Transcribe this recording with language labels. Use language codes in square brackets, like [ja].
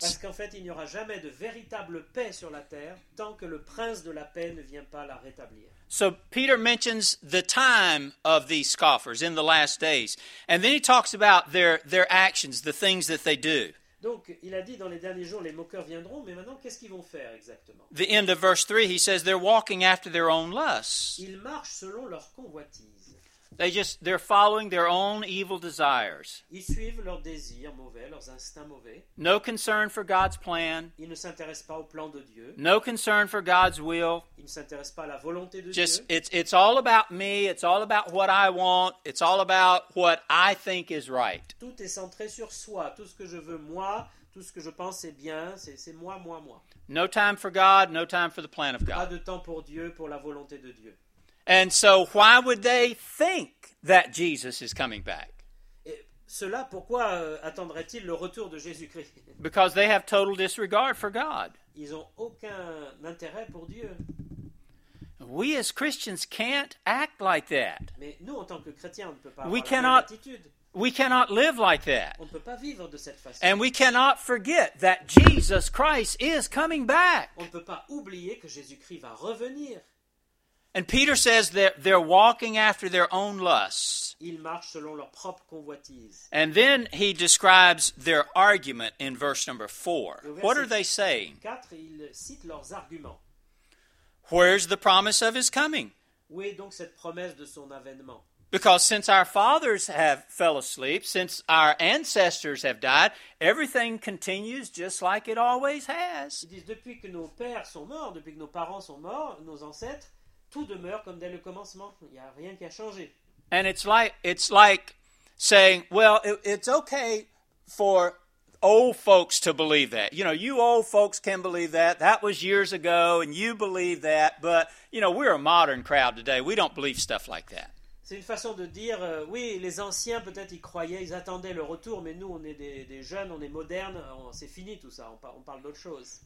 [fr] Parce qu'en fait, il n'y aura jamais de véritable paix sur la terre tant que le Prince de la paix ne vient pas la rétablir. [en] So Peter mentions the time of these scoffers in the last days. And then he talks about their actions, the things that they do. [fr] Donc, il a dit dans les derniers jours, les moqueurs viendront, mais maintenant, qu'est-ce qu'ils vont faire exactement? [en] The end of verse 3, he says, they're walking after their own lusts. [fr] Ils marchent selon leur convoitise. [en] They're following their own evil desires. [fr] Ils suivent leurs désirs mauvais, leurs instincts mauvais. [en] No concern for God's plan. [fr] Ils ne s'intéressent pas au plan de Dieu. [en] No concern for God's will. [fr] Ils ne s'intéressent pas à la volonté de [en] Just, [fr] Dieu. [en] It's all about me, it's all about what I want, it's all about what I think is right. [fr] Tout est centré sur soi, tout ce que je veux moi, tout ce que je pense est bien, c'est moi, moi, moi. [en] No time for God, no time for the plan of God. [fr] Pas de temps pour Dieu, pour la volonté de Dieu. [en] And so why would they think that Jesus is coming back? [fr] Et cela, pourquoi attendraient-ils le retour de Jésus-Christ? [en] Because they have total disregard for God. [fr] Ils ont aucun intérêt pour Dieu. [en] We as Christians can't act like that. [fr] Mais nous, en tant que chrétiens, on ne peut pas avoir cette attitude. [en] We cannot live like that. [fr] On ne peut pas vivre de cette façon. [en] And we cannot forget that Jesus Christ is coming back. [fr] On ne peut pas oublier que Jésus-Christ va revenir. [en] And Peter says that they're walking after their own lusts. [fr] Ils marchent selon leur propre convoitise. [en] And then he describes their argument in verse number 4. What are they saying? [fr] 4, ils citent leurs arguments. [en] Where's the promise of his coming? [fr] Où est donc cette promesse de son avènement? [en] Because since our fathers have fell asleep, since our ancestors have died, everything continues just like it always has. [fr] Ils disent, depuis que nos pères sont morts, depuis que nos parents sont morts, nos ancêtres, tout demeure comme dès le commencement. Il n'y a rien qui a changé. [en] And it's like saying, well, it's okay for old folks to believe that. You know, you old folks can believe that. That was years ago, and you believe that. But, you know, we're a modern crowd today. We don't believe stuff like that. [fr] C'est une façon de dire, oui, les anciens, peut-être, ils croyaient, ils attendaient le retour, mais nous, on est des jeunes, on est modernes, c'est fini tout ça, on parle d'autre chose.